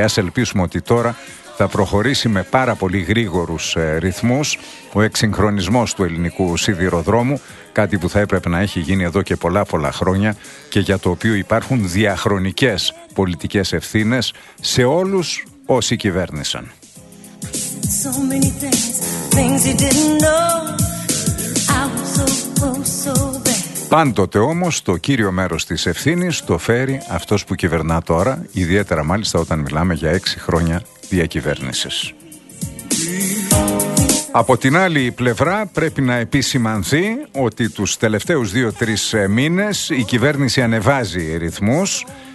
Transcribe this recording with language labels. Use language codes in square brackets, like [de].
[el] Ας ελπίσουμε ότι τώρα θα προχωρήσει με πάρα πολύ γρήγορους ρυθμούς ο εξυγχρονισμός του ελληνικού σιδηροδρόμου, κάτι που θα έπρεπε να έχει γίνει εδώ και πολλά πολλά χρόνια και για το οποίο υπάρχουν διαχρονικές πολιτικές ευθύνες σε όλους όσοι κυβέρνησαν. [en] So many things you didn't know. I was so, so bad. [el] Πάντοτε όμως το κύριο μέρος της ευθύνης το φέρει αυτός που κυβερνά τώρα, ιδιαίτερα μάλιστα όταν μιλάμε για 6 χρόνια διακυβέρνησης. Από την άλλη πλευρά πρέπει να επισημανθεί ότι τους τελευταίους 2-3 μήνες η κυβέρνηση ανεβάζει ρυθμούς.